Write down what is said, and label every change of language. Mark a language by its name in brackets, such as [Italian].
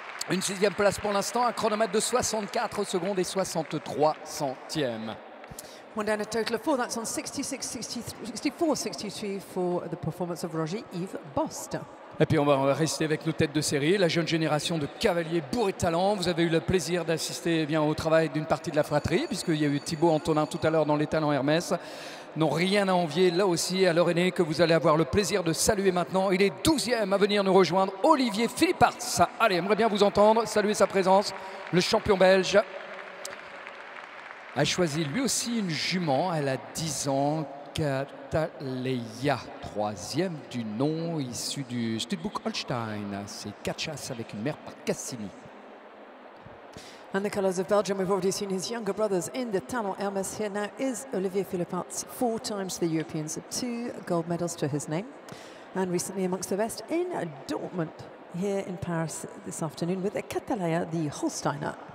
[French] Une 6e place pour l'instant, un chronomètre de 64 secondes et 63 centièmes. [English] One down a total of 4, that's on 66-64-63 for the performance of Roger Yves Bost. [French] Et puis on va rester avec nos têtes de série, la jeune génération de cavaliers bourrés de talent. Vous avez eu le plaisir d'assister eh bien, au travail d'une partie de la fratrie, puisqu'il y a eu Thibaut Antonin tout à l'heure dans les talents Hermès. N'ont rien à envier là aussi à leur aîné que vous allez avoir le plaisir de saluer maintenant. Il est 12e à venir nous rejoindre, Olivier Philippartz. Allez, j'aimerais bien vous entendre, saluer sa présence. Le champion belge a choisi lui aussi une jument. Elle a 10 ans, Kataleya, 3e du nom, issu du Studbook Holstein. C'est 4 chasses avec une mère par Cassini. [English] And the colours of Belgium, we've already seen his younger brothers in the Talon Hermès here now, is Olivier Philippartz, 4 times the Europeans, 2 gold medals to his name. And recently amongst the best in Dortmund, here in Paris this afternoon with Kataleya, the Holsteiner.